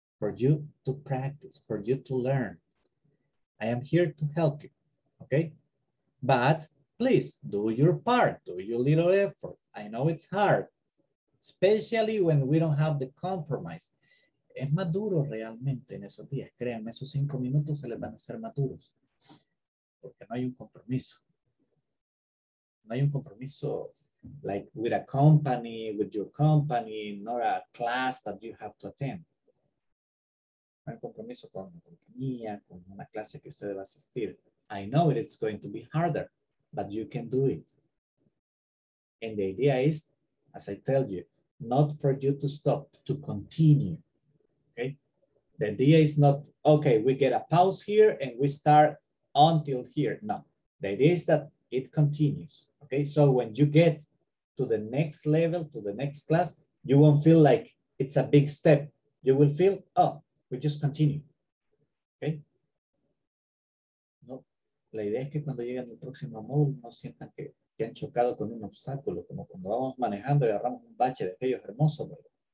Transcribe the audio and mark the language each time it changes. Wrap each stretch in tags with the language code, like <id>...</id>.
<en>For you to practice, for you to learn. I am here to help you, okay? But please do your part, do your little effort. I know it's hard, especially when we don't have the compromise.</en> <es>Es más duro realmente en esos días. Créanme, esos 5 minutos se les van a hacer más duros. Porque no hay un compromiso. No hay un compromiso</es> <en>like with a company, with your company, nor a class that you have to attend.</en> <es>Un compromiso con la compañía, con una clase que usted va a asistir.</es> <en>I know it is going to be harder, but you can do it. And the idea is, as I tell you, not for you to stop, to continue. Okay. The idea is not, okay, we get a pause here and we start until here. No, the idea is that it continues. Okay. So when you get to the next level, to the next class, you won't feel like it's a big step. You will feel, oh, we just continue. Okay.</en> <es>No, la idea es que cuando lleguen al próximo módulo no sientan que han chocado con un obstáculo, como cuando vamos manejando y agarramos un bache de aquellos hermosos, ¿verdad?</es>